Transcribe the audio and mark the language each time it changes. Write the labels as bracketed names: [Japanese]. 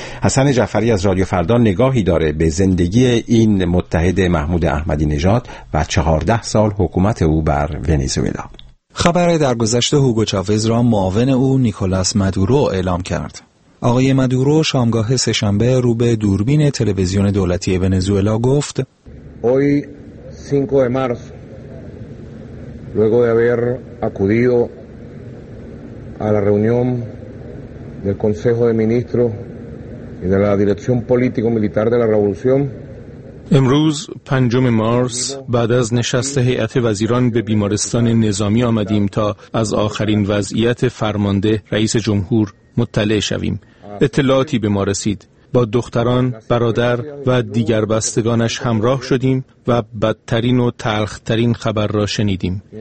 [Persian] حسن جعفری از رادیو فردا نگاهی داره به زندگی این متحد محمود احمدی نژاد و 14 سال حکومت او بر ونزوئلا. خبر درگذشت هوگو چاوز را معاون او نیکولاس مادورو اعلام کرد. آقای مادورو شامگاه سه‌شنبه رو به دوربین تلویزیون دولتی ونزوئلا گفت: [Spanish] Hoy 5 de marzo luego de haber acudido a la reunión del Consejo de Ministros y de la Dirección Político Militar de la Revolución. [Persian] امروز 5 مارس بعد از نشست هیئت وزیران به بیمارستان نظامی آمدیم تا از آخرین وضعیت فرمانده رئیس جمهور مطلع شویم. اطلاعاتی به ما رسید. با دختران، برادر و دیگر بستگانش همراه شدیم و بدترین و تلخترین خبر را شنیدیم.